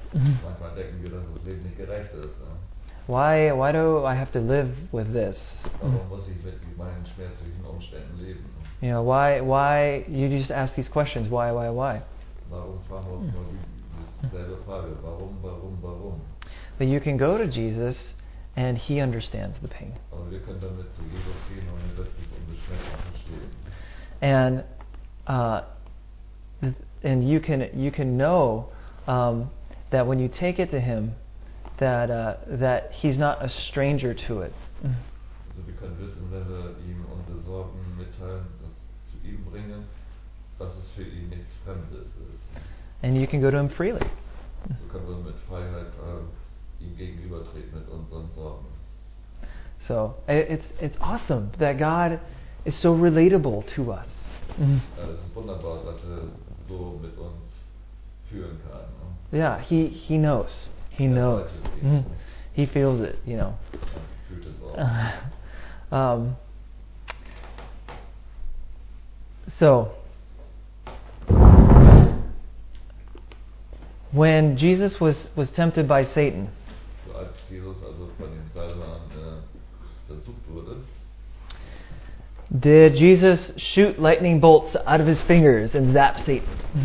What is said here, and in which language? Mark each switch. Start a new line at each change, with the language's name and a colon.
German: Manchmal denken wir, dass das Leben nicht gerecht ist, ne?
English: Why do I have to live with this?
German: Warum muss ich mit meinen schmerzlichen Umständen leben?
English: You know, why you just ask these questions, why?
German: Warum fragen wir uns mal dieselbe Frage? Warum?
English: But you can go to Jesus and He understands the pain.
German: Aber wir können damit zu Jesus gehen und er wird uns unsere Schmerzen verstehen.
English: And you can know that when you take it to Him, that He's not a stranger to it.
German: Also wir können wissen, wenn wir ihm unsere Sorgen mitteilen, das zu ihm bringen, dass es für ihn nichts Fremdes ist.
English: And you can go to Him freely.
German: So können wir mit Freiheit ihm gegenübertreten mit unseren Sorgen.
English: So it's awesome that God is so relatable to us.
German: Ja, das ist wunderbar, dass er so mit uns fühlen kann. Ne?
English: Yeah, he knows. He
German: er
English: knows. Mm. He feels it, you know.
German: Er fühlt es auch.
English: So when Jesus was tempted by Satan.
German: So als Jesus also von dem Satan versucht wurde.
English: Did Jesus shoot lightning bolts out of His fingers and zap Satan?